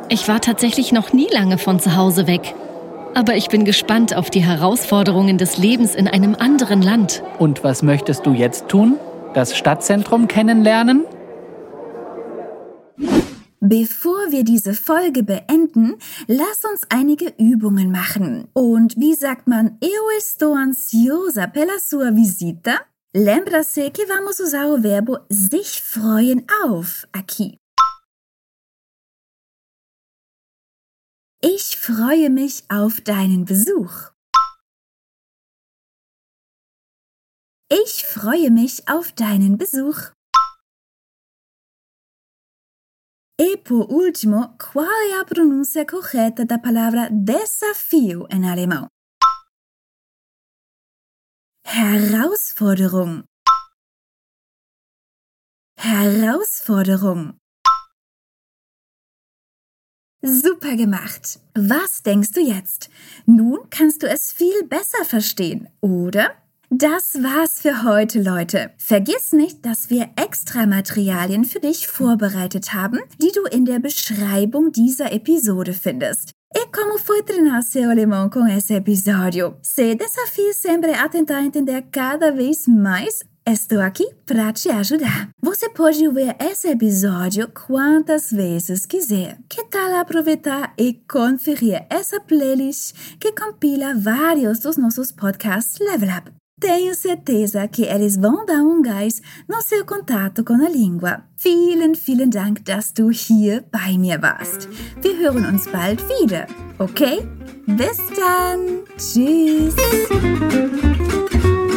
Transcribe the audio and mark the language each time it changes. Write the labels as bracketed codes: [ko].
[de] Ich war tatsächlich noch nie lange von zu Hause weg. Aber ich bin gespannt auf die Herausforderungen des Lebens in einem anderen Land. Und was möchtest du jetzt tun? Das Stadtzentrum kennenlernen? Bevor wir diese Folge beenden, lass uns einige Übungen machen. Und wie sagt man, [pt] eu estou ansiosa pela sua visita? Lembra-se que vamos usar o verbo [de] sich freuen auf [pt] aqui. [de] Ich freue mich auf deinen Besuch. Ich freue mich auf deinen Besuch. [pt] E por último, qual é a pronúncia correta da palavra desafio em alemão? [de] Herausforderung. Herausforderung. Super gemacht! Was denkst du jetzt? Nun kannst du es viel besser verstehen, oder? Das war's für heute, Leute. Vergiss nicht, dass wir extra Materialien für dich vorbereitet haben, die du in der Beschreibung dieser Episode findest. [pt] E como foi treinar seu alemão com esse episódio? Se desafio sempre a tentar entender cada vez mais, estou aqui para te ajudar. Você pode ouvir esse episódio quantas vezes quiser. Que tal aproveitar e conferir essa playlist que compila vários dos nossos podcasts Level Up? Tenho certeza que eles vão dar gás no seu contato com a língua. [de] Vielen, vielen Dank, dass du hier bei mir warst. Wir hören uns bald wieder, okay? Bis dann! Tschüss!